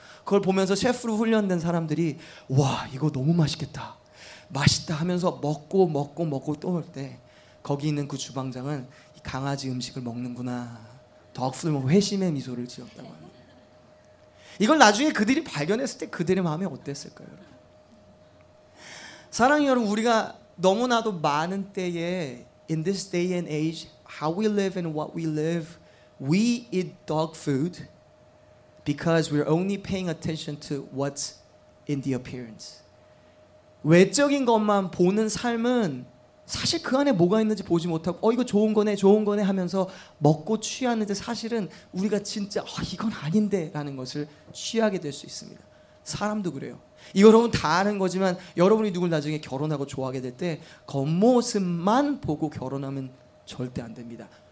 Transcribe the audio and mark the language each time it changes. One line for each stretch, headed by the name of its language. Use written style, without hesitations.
Korean: 그걸 보면서 셰프로 훈련된 사람들이 와 이거 너무 맛있겠다 맛있다 하면서 먹고 먹고 먹고 또 올 때 거기 있는 그 주방장은 이 강아지 음식을 먹는구나 덕후들 회심의 미소를 지었다고 합니다. 이걸 나중에 그들이 발견했을 때 그들의 마음이 어땠을까요 여러분? 사랑이 여러분 우리가 너무나도 많은 때에
English: in this day and age how we live and what we live we eat dog food because we're only paying attention to what's in the appearance.
Korean: 외적인 것만 보는 삶은 사실 그 안에 뭐가 있는지 보지 못하고 이거 좋은 거네 좋은 거네 하면서 먹고 취하는데 사실은 우리가 진짜 이건 아닌데 라는 것을 취하게 될 수 있습니다. 사람도 그래요. 이거 여러분 다 아는 거지만 여러분이 누굴 나중에 결혼하고 좋아하게 될 때 겉모습만 보고 결혼하면 절대 안 됩니다.